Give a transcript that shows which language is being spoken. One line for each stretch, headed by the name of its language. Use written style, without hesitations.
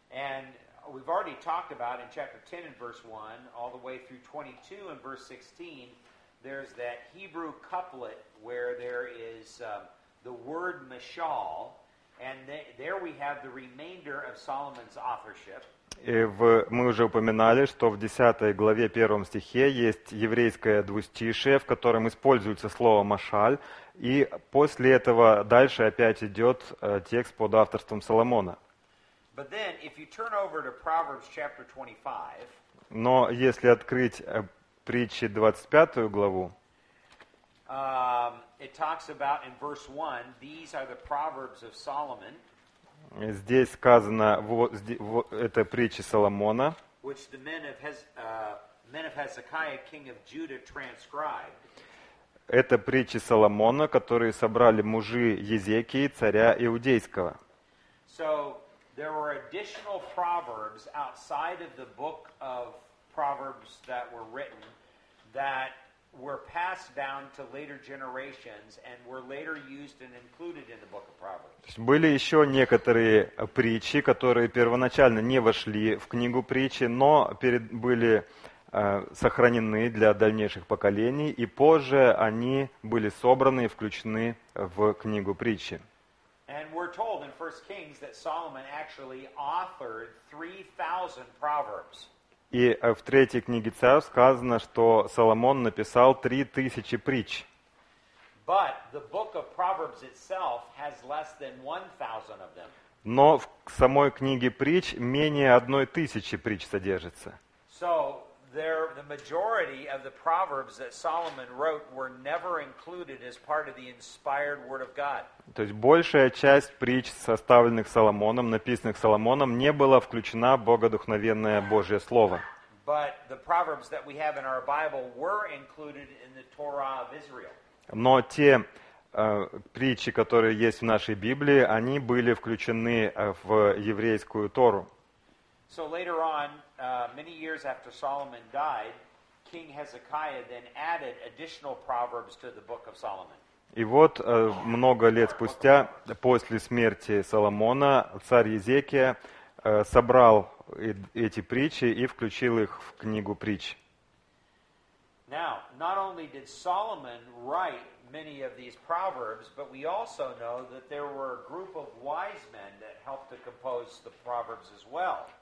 English: And we've already talked about in chapter 10 and verse 1, all the way through 22 and verse 16, there's that Hebrew couplet where there is the word mashal, and there we have the remainder of Solomon's authorship.
Russian: Мы уже упоминали, что в 10 главе 1 стихе есть еврейское двустишие, в котором используется слово «машаль», и после этого дальше опять идет текст под авторством Соломона.
English: But then, if you turn over to Proverbs chapter 25,
Russian: но если открыть притчи 25 главу,
English: it talks about in verse 1, these are the proverbs of Solomon.
Russian: Здесь сказано, это притчи Соломона,
English: which the men of Hezekiah, king of Judah, transcribed.
Russian: Это притчи Соломона, которые собрали мужи Езекии, царя Иудейского.
English: So there were additional proverbs outside of the book of Proverbs that were written that were passed down to later generations and were later used and included in the book of Proverbs.
Russian: Были еще некоторые притчи, которые первоначально не вошли в книгу притчи, но были сохранены для дальнейших поколений, и позже они были собраны и включены в книгу притчи.
English: And we're told in 1 Kings that Solomon actually authored 3,000 proverbs.
Russian: И в третьей книге Царств сказано, что Соломон написал 3000 притч.
English: But the book of Proverbs itself has less than 1,000 of them.
Russian: Но в самой книге притч менее 1000 притч содержится.
English: So there, the majority of the proverbs that Solomon wrote were never included as part of the inspired word of God.
Russian: То есть большая часть притч, составленных Соломоном, написанных Соломоном, не была включена в богодухновенное Божье Слово.
English: But the proverbs that we have in our Bible were included in the Torah of Israel.
Russian: Но те притчи, которые есть в нашей Библии, они были включены в еврейскую Тору.
English: So later on, many years after Solomon died, King Hezekiah then added additional proverbs to the book of Solomon.
Russian: И вот много лет спустя, после смерти Соломона, царь Езекия собрал эти притчи и включил их в книгу притч.
English: Now, not only did Solomon write many of these proverbs, but we also know that there were a group of wise men that helped to compose the proverbs as well.